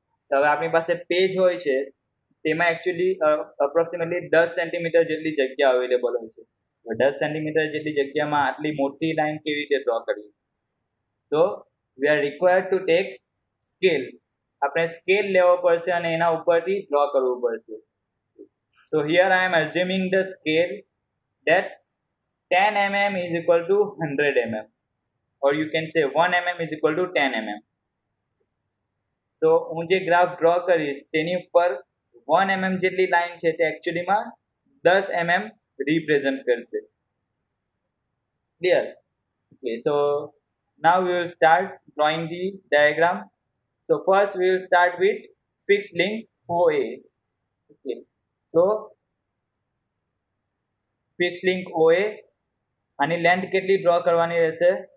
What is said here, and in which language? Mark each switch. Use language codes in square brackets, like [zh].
[gu] તો હવે આપણી પાસે પેજ હોય છે તેમાં એકચ્યુઅલી અપ્રોક્સિમેટલી 10 cm જેટલી જગ્યા અવેલેબલ હોય છે. 10 cm જેટલી જગ્યામાં આટલી મોટી લાઈન કેવી રીતે ડ્રો કરવી? તો [en] we are required to take scale, [gu] આપણે સ્કેલ લેવો પડશે અને એના ઉપરથી ડ્રો કરવું પડશે. [en] So here I am assuming the scale that 10 mm is equal to 100 mm, or you can say 1 mm is equal to 10 mm. So [gu] હું જે ગ્રાફ ડ્રો કરીશ તેની ઉપર 1 mm જેટલી લાઈન છે તે એકચ્યુઅલીમાં 10 mm રિપ્રેઝન્ટ કરશે. Clear? [en] Okay, so now we will start drawing the diagram. So first we will start with fix link OA. Okay, so fix link OA [gu] આની લેન્થ કેટલી draw કરવાની રહેશે?